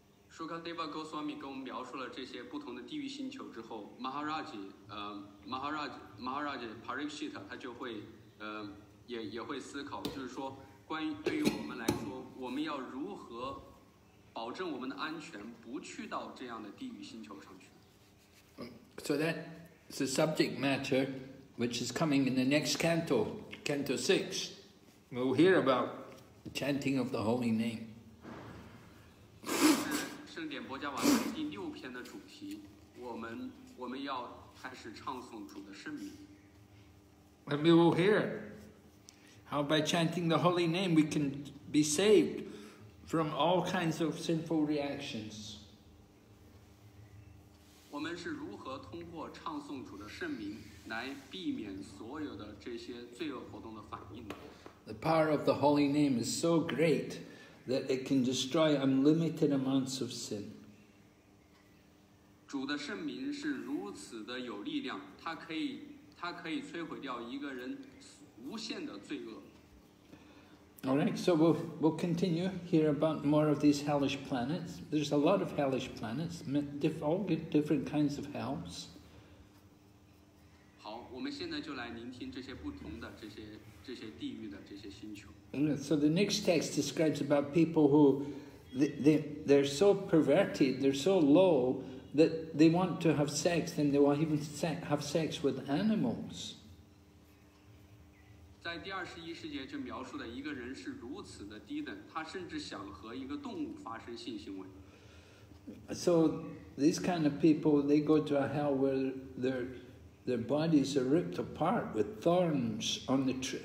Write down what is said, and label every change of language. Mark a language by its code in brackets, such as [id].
[zh] Sukadeva Goswami 给我们描述了这些不同的地狱星球之后， Maharaj Parikshita 他就会也会思考，就是说，关于对于我们来说，我们要如何保证我们的安全，不去到这样的地狱星球上去。 [en] So that's the subject matter which is coming in the next canto, canto 6. We'll hear about the chanting of the holy name. [zh] 圣典波迦瓦第六篇的主题，我们要开始唱诵主的圣名。 [en] And we will hear how by chanting the holy name we can be saved from all kinds of sinful reactions. [zh] 们是如何通过唱颂主的圣名来避免所有的这些罪恶活动的反应的。 [en] The power of the holy name is so great that it can destroy unlimited amounts of sin. [zh] 主的圣名是如此的有力量，它可以摧毁掉一个人无限的罪恶。 [en] All right, so we'll continue here about more of these hellish planets. There's a lot of hellish planets, all different kinds of hells. [zh] 好，我们现在就来聆听这些不同的这些地狱的这些星球。 [en] So the next text describes about people who they're so perverted, they're so low that they want to have sex, and they will even have sex with animals. [zh] 在第二十一世界就描述的一个人是如此的低等，他甚至想和一个动物发生性行为。 [en] So these kind of people, they go to a hell where their bodies are ripped apart with thorns on the tree.